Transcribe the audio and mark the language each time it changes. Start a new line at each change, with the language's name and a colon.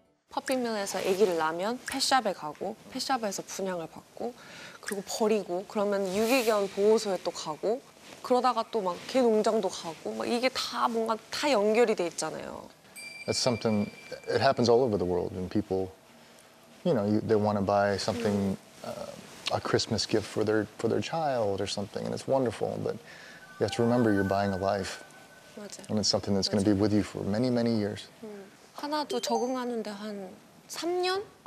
Korean: 퍼피밀에서 아기를 낳으면 펫샵에 가고 펫샵에서 분양을 받고 그리고 버리고 그러면 유기견 보호소에 또 가고. 그러다가 또 막 개 농장도 가고 막 이게 다 뭔가 다 연결이 돼 있잖아요.
English: That's something it happens all over the world and people you know, they want to buy something a Christmas gift for their child or something and it's wonderful but you have to remember you're buying a life.
Korean: 맞아.
English: And it's something that's going to be with you for many many years.
Korean: 하나도 적응하는데 한 3년?